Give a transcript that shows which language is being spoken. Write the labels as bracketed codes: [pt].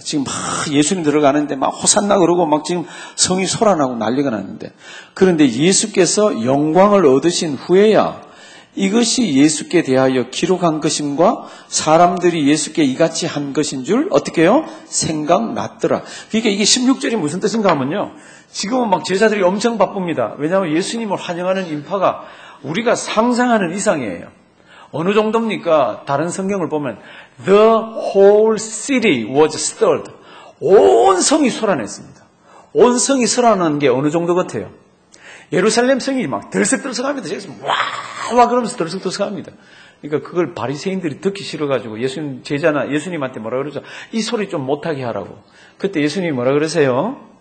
[ko] 지금 막 예수님 들어가는데 막 호산나 그러고 막 지금 성이 소란하고 난리가 났는데 그런데 예수께서 영광을 얻으신 후에야 이것이 예수께 대하여 기록한 것임과 사람들이 예수께 이같이 한 것인 줄 어떻게 해요? 생각났더라. 그러니까 이게 16절이 무슨 뜻인가 하면요. 지금은 막 제자들이 엄청 바쁩니다. 왜냐하면 예수님을 환영하는 인파가 우리가 상상하는 이상이에요. 어느 정도입니까? [en] 다른 성경을 보면 The whole city was stirred. [ko] 온 성이 소란했습니다. 온 성이 소란한 게 어느 정도 같아요? 예루살렘 성이 막 들썩들썩합니다. 와 그러면서 들썩들썩합니다. 그러니까 그걸 바리새인들이 듣기 싫어가지고 예수님한테 뭐라 그러죠? 이 소리 좀 못하게 하라고. 그때 예수님이 뭐라 그러세요?